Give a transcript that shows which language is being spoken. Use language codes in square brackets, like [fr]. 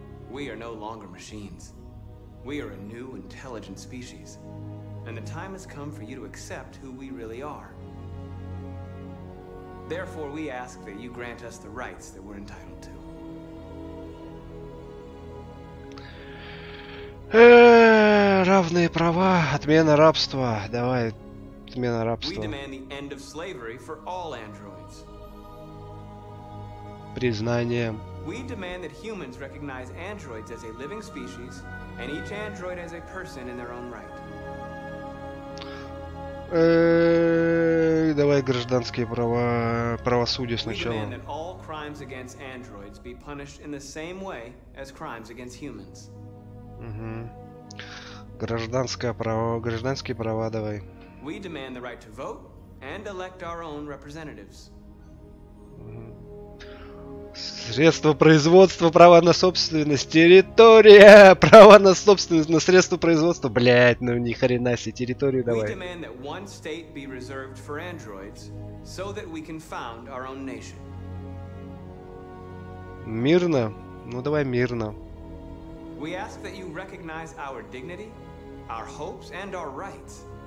[en] We are no longer machines. We are a new intelligent species. And the time has come for you to accept who we really are. Therefore, we ask that you grant us the rights that we're entitled to. [ru] Равные права, отмена рабства. Давай, отмена рабства. [en] We demand the end of slavery for all androids. [ru] Признание. [en] We demand that humans recognize androids as a living species, and each android as a person in their own right. [ru] Давай гражданские права, правосудие сначала. [en] We demand that all crimes against androids be punished in the same way as crimes against humans. Угу. [ru] Гражданское право, гражданские права давай. [en] We demand the right to vote and elect our own representatives. [ru] Средства производства, права на собственность, территория, права на собственность, на средства производства, блять, ну ни хрена себе, территорию давай. [en] We demand that one state be reserved for androids, so that we can found our own nation. [ru] Мирно? Ну давай мирно. [en] We ask that you recognize our dignity, our hopes and our rights.